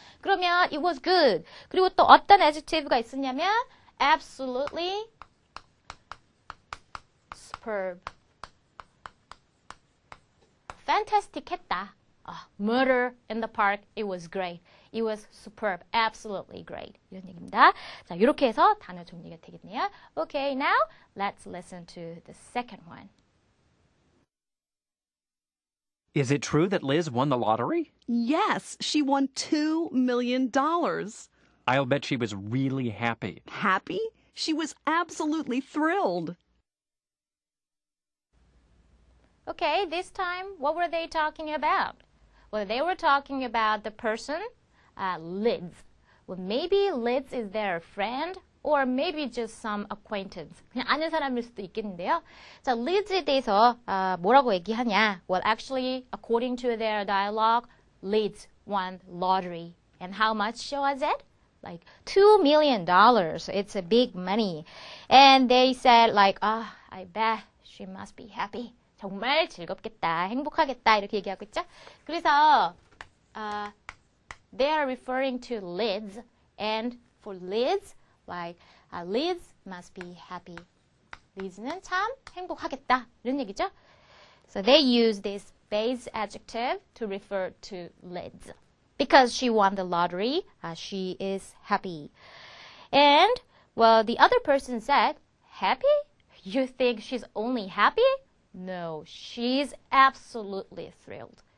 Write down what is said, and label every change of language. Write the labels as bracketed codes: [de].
[ko] 그러면 [en] it was good. [ko] 그리고 또 어떤 adjective가 있었냐면 [en] absolutely superb. Fantastic 했다. Murder in the Park. It was great. It was superb. Absolutely great. [ko] 이런 얘기입니다. 자, 이렇게 해서 단어 정리가 되겠네요. [en] Okay, now let's listen to the second one. Is it true that Liz won the lottery? Yes, she won $2 million. I'll bet she was really happy. Happy? She was absolutely thrilled. Okay, this time, what were they talking about? Well, they were talking about the person, Liz. Well, maybe Liz is their friend, or maybe just some acquaintance. [ko] 그냥 아는 사람일 수도 있겠는데요. 자, Liz에 대해서 뭐라고 얘기하냐? [en] Well, actually, according to their dialogue, Liz won lottery. And how much was it? Like $2 million. It's a big money. And they said like, oh, I bet she must be happy. [ko] 정말 즐겁겠다, 행복하겠다 이렇게 얘기하고 있죠. 그래서 [en] they are referring to Liz, and for Liz, like Liz must be happy. [ko] Liz는 참 행복하겠다 이런 얘기죠. [en] So they use this base adjective to refer to Liz because she won the lottery. She is happy. And well, the other person said, "Happy? You think she's only happy?" No, she's absolutely thrilled.